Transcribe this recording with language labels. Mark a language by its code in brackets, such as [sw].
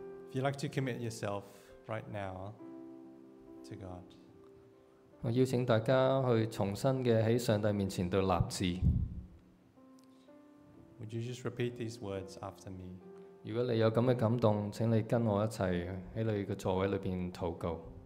[en] If you'd like to commit yourself right now to God, [yue] 我邀請大家去重新嘅喺上帝面前度立志。 [en] Would you just repeat these words after me? [yue] 如果你有咁嘅感动，请你跟我一齐喺你嘅座位里边祷告。